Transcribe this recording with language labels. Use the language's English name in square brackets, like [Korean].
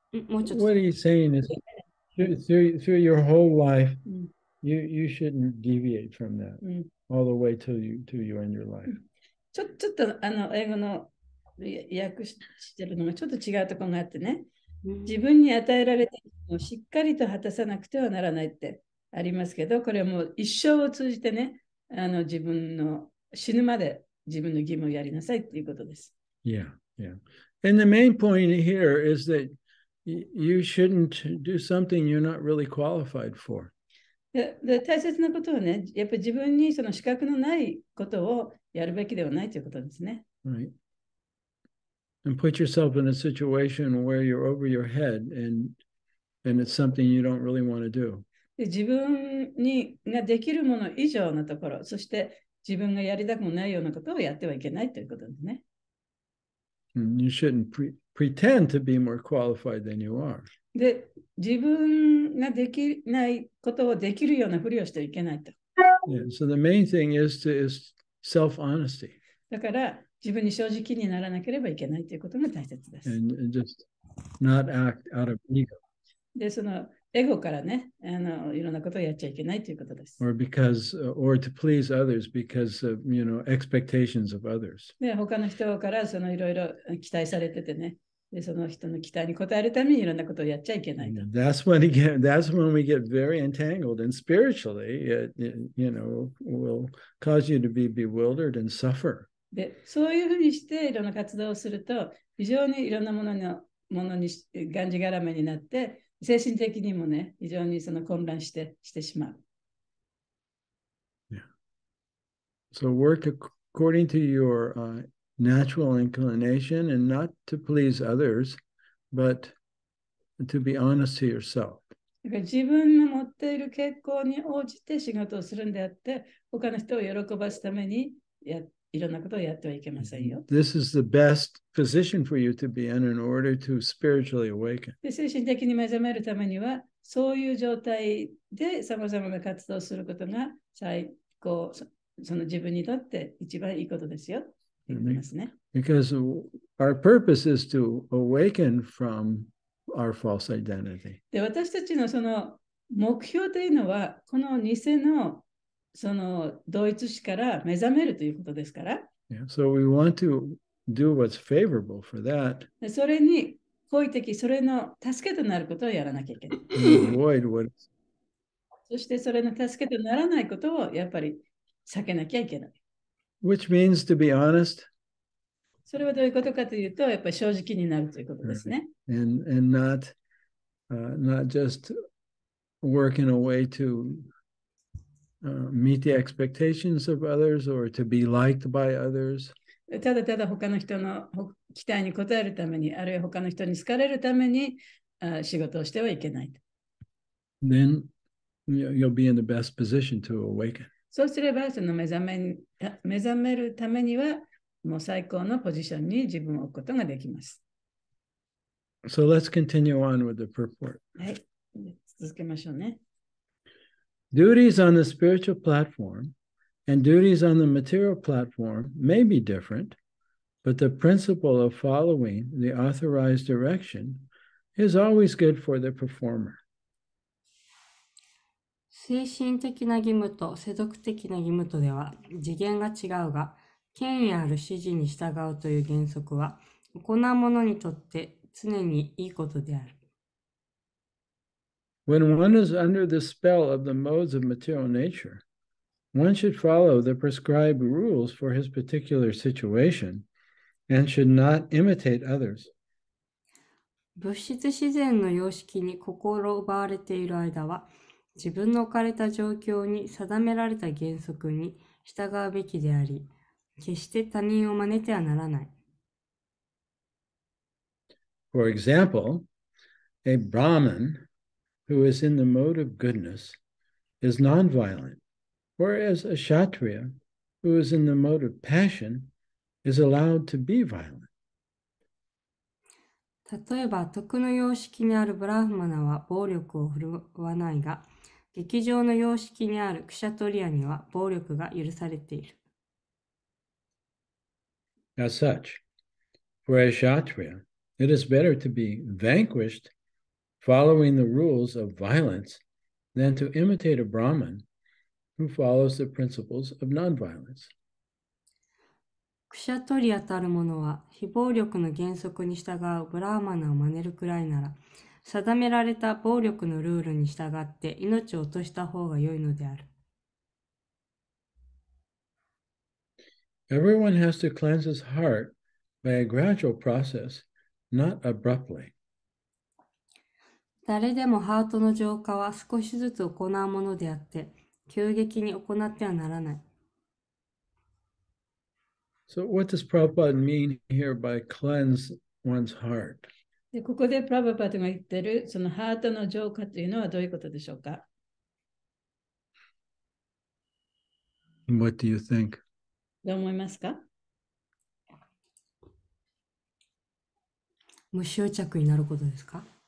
[English] What he's saying is, through your whole life, you shouldn't deviate from that all the way till you end your life. [Japanese] ちょっとあの英語の訳してるのがちょっと違うところがあってね。自分に与えられたものをしっかりと果たさなくてはならないってありますけど、これはもう一生を通じてね、あの自分の死ぬまで自分の義務をやりなさいっていうことです。 [English] Yeah, yeah. And the main point here is that. You shouldn't do something you're not really qualified for. [Japanese] で、大切なことはね、やっぱり自分にその資格のないことをやるべきではないということですね。 [English] Right. And put yourself in a situation where you're over your head and it's something you don't really want to do. [Japanese] で、自分にができるもの以上のところ、そして自分がやりたくもないようなことをやってはいけないということですね。 [English] You shouldn't pretend to be more qualified than you are. [Japanese] で、自分ができないことをできるようなふりをしてはいけないと。 [English] Yeah, so the main thing is self-honesty. [Japanese] だから、自分に正直にならなければいけないということが大切です。 [English] And just not act out of ego. [Japanese] で、そのエゴからね、あの、いろんなことをやっちゃいけないということです。 [English] Or because, or to please others because of, you know, expectations of others. [Japanese] で、他の人からそのいろいろ期待されててね、で、その人の期待に応えるためにいろんなことをやっちゃいけないと。 [English] That's when we get very entangled, and spiritually, you know, will cause you to be bewildered and suffer. [Japanese] で、そういうふうにしていろんな活動をすると、非常にいろんなものにがんじがらめになって、精神的にもね、非常にその混乱してしまう。 [English] So work according to your natural inclination and not to please others, but to be honest to yourself. [Japanese] 自分の持っている傾向に応じて仕事をするんであって、他の人を喜ばすためにいろんなことをやってはいけませんよ。 [English] This is the best position for you to be in order to spiritually awaken. [Japanese] 精神的に目覚めるためには、そういう状態でさまざまな活動をすることが最高。その自分にとって一番いいことですよ。 [English] Because our purpose is to awaken from our false identity. [Japanese] で、私たちのその目標というのは、この偽のその同一視から目覚めるということですから。 [English] Yeah. So we want to do what's favorable for that. [Japanese] で、それに好意的、それの助けとなることをやらなきゃいけない。 [English] Avoid what is... [Japanese] そしてそれの助けとならないことをやっぱり避けなきゃいけない。 [English] Which means to be honest. [Japanese] それはどういうことかというと、やっぱり正直になるということですね。 [English] Right. And not, not just work in a way to, meet the expectations of others or to be liked by others. [Japanese] ただただ他の人の期待に応えるために、あるいは他の人に好かれるために、仕事をしてはいけない。 [English] Then you'll be in the best position to awaken. [Japanese] そうすればその目覚めるためにはもう最高のポジションに自分を置くことができます。 [English] So let's continue on with the purport. [Japanese] はい、続けましょうね。 [English] Duties on the spiritual platform and duties on the material platform may be different, but the principle of following the authorized direction is always good for the performer. [Japanese] 精神的な義務と世俗的な義務とでは次元が違うが、権威ある指示に従うという原則は行う者にとって常にいいことである。 [English] When one is under the spell of the modes of material nature, one should follow the prescribed rules for his particular situation and should not imitate others. [Japanese] 物質自然の様式に心を奪われている間は、自分の置かれた状況に定められた原則に従うべきであり、決して他人を真似てはならない。 [English] For example, a Brahman who is in the mode of goodness is non-violent, whereas a Kshatriya who is in the mode of passion is allowed to be violent. [Japanese] 例えば、徳の様式にあるブラフマナは暴力を振るわないが、劇場の様式にあるクシャトリアには暴力が許されている。 [English] As such, for a Kshatriya, it is better to be vanquished following the rules of violence than to imitate a Brahman who follows the principles of non-violence. [Japanese] クシャトリアたる者は非暴力の原則に従うブラーマナを真似るくらいなら、定められた暴力のルールに従って命を落とした方が良いのである。 [English] Everyone has to cleanse his heart by a gradual process, not abruptly. [Japanese] 誰でもハートの浄化は少しずつ行うものであって、急激に行ってはならない。 [English] So what does Prabhupada mean here by cleanse one's heart? [Japanese] でここでプラバパテが言ってるそのハートの浄化というのはどういうことでしょうか。 [English] What do you think? [Japanese] どう思いますか。無執着になることですか。